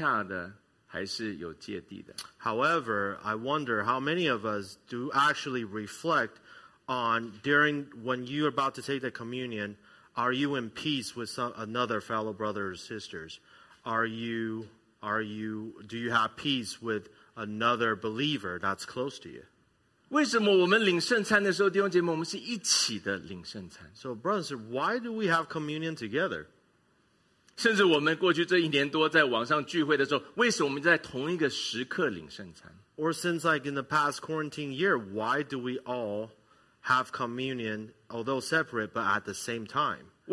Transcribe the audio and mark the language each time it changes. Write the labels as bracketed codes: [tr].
[zh] 可是我们多少时候弟兄姐妹在领圣餐的时候，我们想到我们与教会的弟兄姐妹，我们与我们自己，特别是信主的家人们之间，我们的关系、我们的感情是融洽的，还是有芥蒂的？ [en] However, I wonder how many of us do actually reflect on during when you are about to take the communion, are you in peace with some another fellow brother or sisters? Do you have peace with another believer that's close to you? [zh] 为什么我们领圣餐的时候，弟兄姐妹，我们是一起的领圣餐？ [en] So, brothers, why do we have communion together? [zh] 甚至我们过去这一年多在网上聚会的时候，为什么我们在同一个时刻领圣餐？ [en] Or since like in the past quarantine year, why do we all have communion, although separate, but at the same time?